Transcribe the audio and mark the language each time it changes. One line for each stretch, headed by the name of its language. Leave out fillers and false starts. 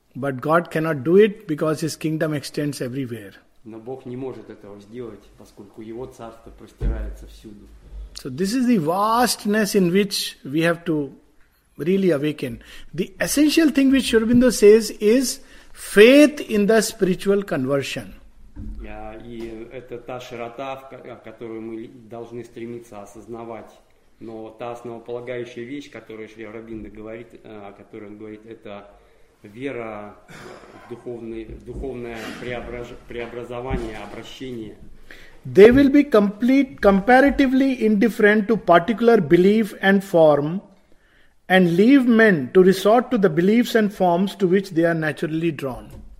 English: But God cannot do it because His kingdom extends everywhere.
Russian: Но Бог не может этого сделать, поскольку Его царство простирается всюду.
English: So this is the vastness in which we have to really awaken. The essential thing which Aurobindo says is faith in the spiritual conversion.
Russian: И это та широта, в которую мы должны стремиться осознавать. Но та основополагающая вещь, которую Шри Аурабиндо говорит, о которой он говорит, это вера в духовное преобразование, обращение.
English: They will be complete, comparatively indifferent to particular belief and form, and leave men to resort to the beliefs and forms to which they are naturally drawn.